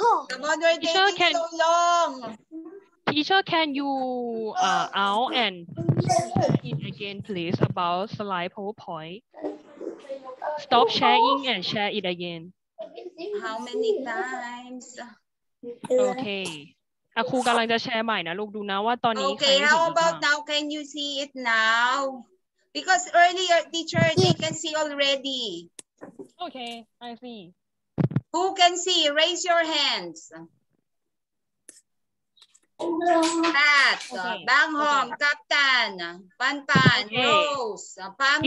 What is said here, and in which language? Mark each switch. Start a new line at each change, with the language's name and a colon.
English: Come on, we're taking so long. Teacher, can you out and in again, please, about slide PowerPoint? Stop sharing and share it again. How many times? Okay.
Thai: อ่ะครูกำลังจะแชร์ใหม่นะลูกดูนะว่าตอนนี้
English: Okay, how about now? Can you see it now? Because earlier teacher they can see already. Okay, I see. Who can see? Raise your hands. Pat, Bang Hong, Captain, Pan, Rose, Pami.